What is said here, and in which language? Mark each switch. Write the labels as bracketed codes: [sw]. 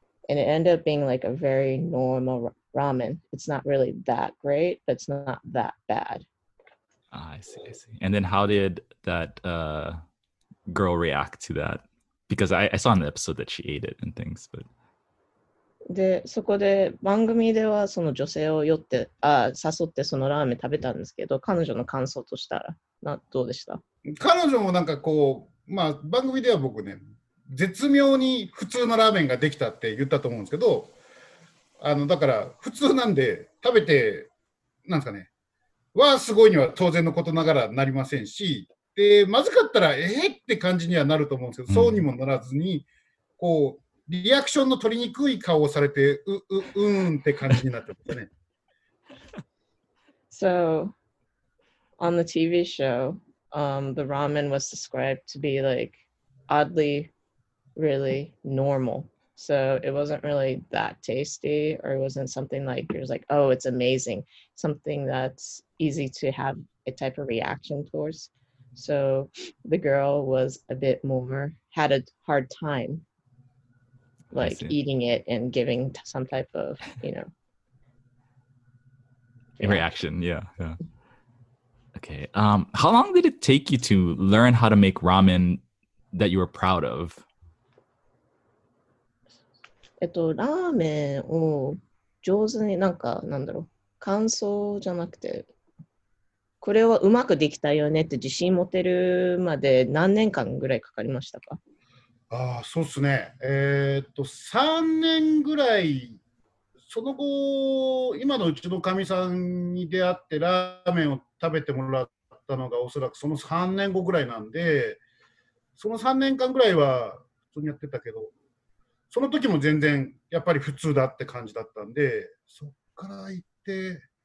[en] And it ended up being like a very normal ramen. It's not really that great, but it's not that bad. I see. And then how did that girl react to that? Because I saw in the episode that she ate it and things, but... [ja] で、そこで番組ではその女性を誘ってそのラーメン食べたんですけど、彼女の感想としたらどうでした？彼女もなんかこう、まあ番組では僕ね、絶妙に普通のラーメンができたって言ったと思うんですけど、だから普通なんで食べて、なんですかね、わーすごいには当然のことながらなりませんし、で、まずかったらって感じにはなると思うんですけど、そうにもならずに、こう、リアクションの取りにくい顔をされて、うーんって感じになってますね。 [en] So, on the TV show, the ramen was described to be like oddly... really normal. So it wasn't really that tasty or it wasn't something like, it was like, oh, it's amazing. Something that's easy to have a type of reaction towards. So the girl was a bit more, had a hard time like eating it and giving some type of, you know. reaction, yeah. Okay, how long did it take you to learn how to make ramen that you were proud of? [ja] ラーメンを上手に、なんか、なんだろう、感想じゃなくて、これはうまくできたよねって自信持てるまで何年間ぐらいかかりましたか？ああ、そうですね。 3年ぐらい、その後、今のうちのかみさんに出会ってラーメンを食べてもらったのがおそらくその3年後ぐらいなんで、その3年間ぐらいは普通にやってたけど、その時も全然やっぱり普通だって感じだったんで、そっから行って、